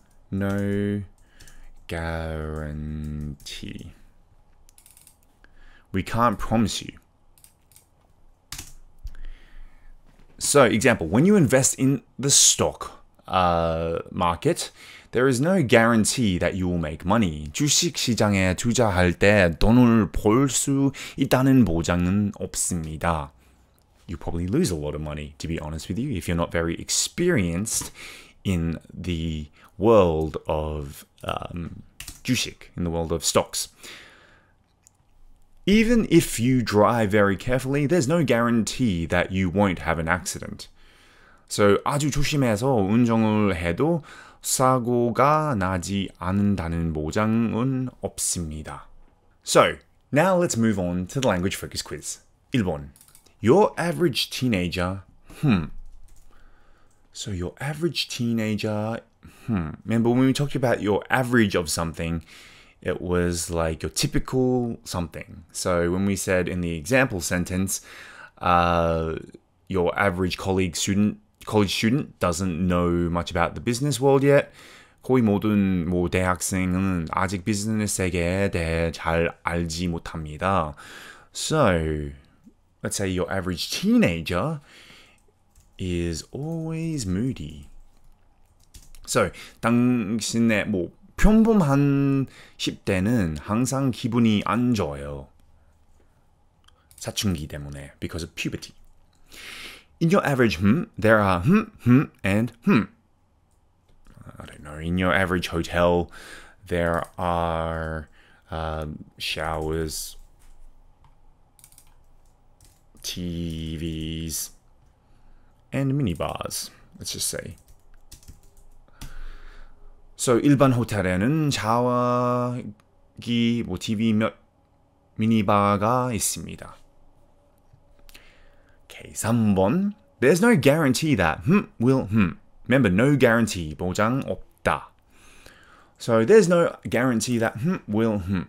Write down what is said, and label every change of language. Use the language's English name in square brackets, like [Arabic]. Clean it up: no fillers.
[English] No guarantee. We can't promise you. So, example, when you invest in the stock market, there is no guarantee that you will make money. [Korean] 주식 시장에 투자할 때 돈을 벌 수 있다는 보장은 없습니다. [English] You probably lose a lot of money, to be honest with you, if you're not very experienced in the world of 주식, in the world of stocks. Even if you drive very carefully, there's no guarantee that you won't have an accident. [Korean] So, 아주 조심해서 운전을 해도 사고가 나지 않는다는 보장은 없습니다. [English] So, now let's move on to the language focus quiz. [Korean] 1번. [English] Your average teenager, So, your average teenager, Remember when we talked about your average of something, it was like your typical something. So when we said in the example sentence, your average college student doesn't know much about the business world yet. [Korean] 거의 모든 뭐 대학생은 아직 비즈니스 세계에 대해 잘 알지 못합니다. [English] So let's say your average teenager is always moody. So [Korean] 당신의 뭐 평범한 10대는 항상 기분이 안 좋아요. 사춘기 때문에, [English] because of puberty. In your average there are and know, in your average hotel, there are showers, TVs, and minibars, let's just say. [Korean] So, 일반 호텔에는 샤워기, 뭐 TV, 미니바가 있습니다. [English] Okay, 3번. There's no guarantee that will... Remember, no guarantee. [Korean] 보장 없다. [English] So, there's no guarantee that will...